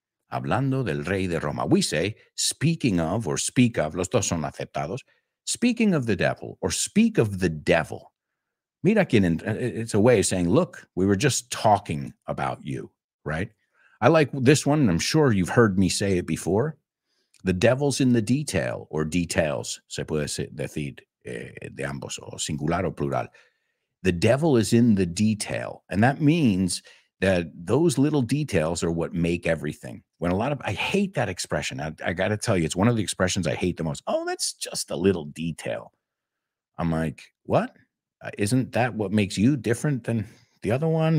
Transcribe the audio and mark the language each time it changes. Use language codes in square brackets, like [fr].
[es] Hablando del rey de Roma. [en] We say, speaking of or speak of, [es] los dos son aceptados. [en] Speaking of the devil or speak of the devil. [es] Mira quien, [en] it's a way of saying, look, we were just talking about you, right? I like this one, and I'm sure you've heard me say it before. The devil's in the detail or details. [es] Se puede decir de ambos, o singular o plural. [en] The devil is in the detail. And that means that those little details are what make everything. When a lot of, I hate that expression. I got to tell you, it's one of the expressions I hate the most. Oh, that's just a little detail. I'm like, what? Isn't that what makes you different than the other one?